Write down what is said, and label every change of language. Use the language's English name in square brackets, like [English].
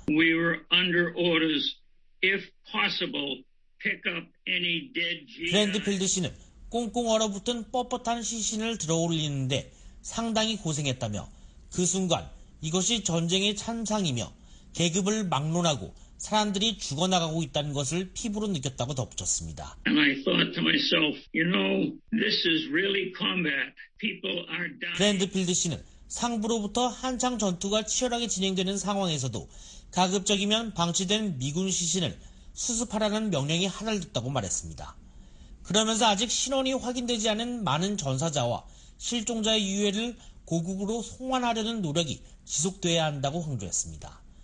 [English] We were under orders, if possible, pick up any dead GI. [Korean] 브랜드필드 씨는 꽁꽁 얼어붙은 뻣뻣한 시신을 들어올리는데 상당히 고생했다며 그 순간 이것이 전쟁의 찬상이며 계급을 막론하고 사람들이 죽어나가고 있다는 것을 피부로 느꼈다고 덧붙였습니다. [English] And I thought to myself, you know, this is really combat. People are dying. [Korean] 브랜드필드 씨는 상부로부터 한창 전투가 치열하게 진행되는 상황에서도 가급적이면 방치된 미군 시신을 수습하라는 명령이 하늘 듣다고 말했습니다. 그러면서 아직 신원이 확인되지 않은 많은 전사자와 실종자의 유해를 고국으로 송환하려는 노력이 지속돼야 한다고 강조했습니다.